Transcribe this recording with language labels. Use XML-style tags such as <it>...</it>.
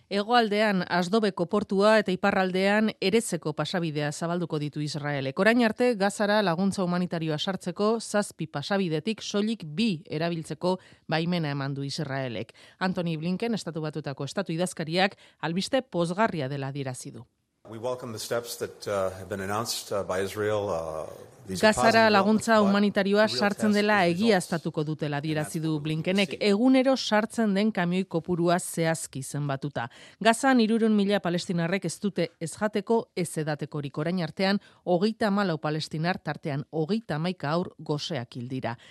<eu>Hegoaldean Asdobeko portua eta iparraldean Erezeko pasabidea zabalduko ditu Israelek. Orain arte Gazara laguntza humanitarioa sartzeko 7 pasabidetik soilik 2 erabiltzeko baimena eman du Israelek. Anthony Blinken estatu batuetako estatu idazkariak albiste pozgarria dela adierazi du.</eu> <en>We welcome the steps that have been announced by Israel.</en> <eu>Gazara laguntza humanitarioa sartzen dela egiaztatuko dutela adierazi du Blinkenek, egunero sartzen den kamioi kopurua zehazki zenbatuta. Gazan 300.000 palestinarrek ez dute ez jateko ez edatekorik. Orain artean 34 palestinar tartean 31 haur goseak hil dira.</eu>